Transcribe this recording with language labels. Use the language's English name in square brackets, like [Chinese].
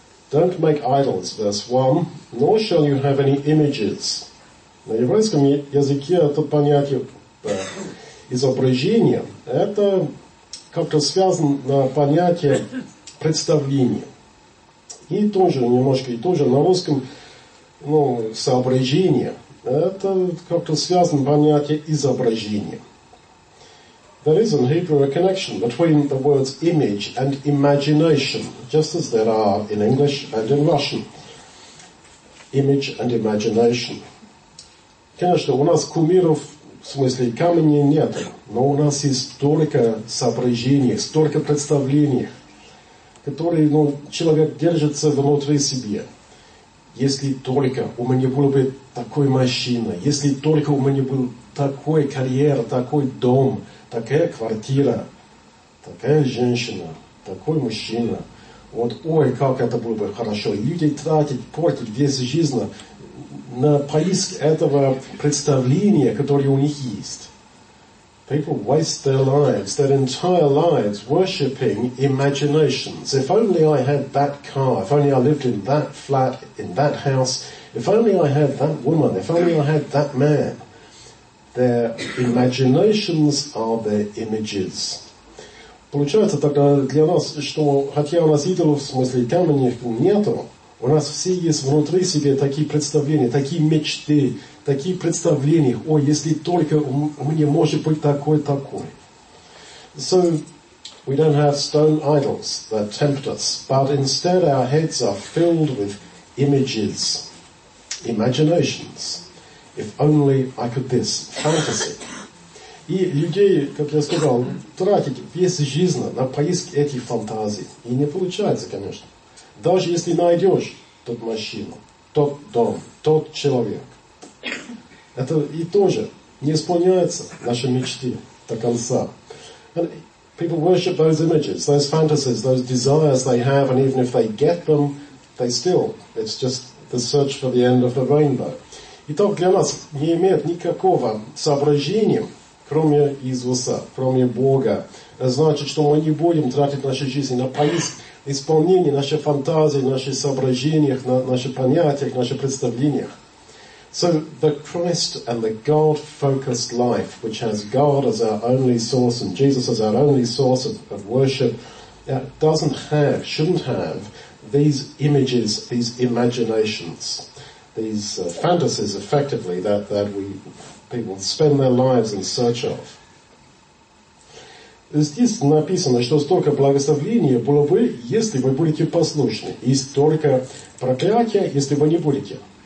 [English] Don't make idols, verse 1, nor shall you have any images. [Russian] На еврейском языке это понятие изображение, это как-то связано на понятие представления. И тоже немножко, и тоже на русском, ну, соображение, это как-то связано понятие изображения. [English] There is in Hebrew a connection between the words image and imagination, just as there are in English and in Russian. Image and imagination. [Russian] Конечно, у нас кумиров, в смысле камней, нет. Но у нас есть столько соображений, столько представлений, которые ну, человек держится внутри себя. Если только у меня была бы такой машина, если только у меня был такой карьера, такой дом, такая квартира, такая женщина, такой мужчина. Вот, ой, как это было бы хорошо. Люди тратят, портят весь жизнь на поиск этого представления, которое у них есть. [English] People waste their lives, their entire lives, worshipping imaginations. If only I had that car, if only I lived in that flat, in that house, if only I had that woman, if only I had that man. Their imaginations are their images. [Russian] Получается тогда для нас, что хотя у нас идолов, в смысле камней, нету, у нас все есть внутри себя такие представления, такие мечты, такие представления. Ой, если только мне может быть такой. [English] So, we don't have stone idols that tempt us, but instead our heads are filled with images, imaginations. If only I could this fantasy. [Russian] И людей, как я сказал, тратить весь жизнь на поиск этих фантазий. И не получается, конечно. Даже если найдешь тот мужчину, тот дом, тот человек. Это и тоже не исполняется наши мечты до конца. [English] And people worship those images, those fantasies, those desires they have, and even if they get them, they still, it's just the search for the end of the rainbow. [Russian] И то для нас не имеет никакого соображения, кроме Иисуса, кроме Бога. Это значит, что мы не будем тратить нашу жизнь на поиск исполнении нашей фантазии, наших соображениях, наших понятиях, наших представлениях. [English] So the Christ and the God-focused life, which has God as our only source and Jesus as our only source of worship, doesn't have, shouldn't have, these images, these imaginations, these fantasies, effectively, that we people spend their lives in search of. [Russian] Здесь написано, что столько благословения было бы, если вы будете послушны, и столько проклятия, если вы не будете.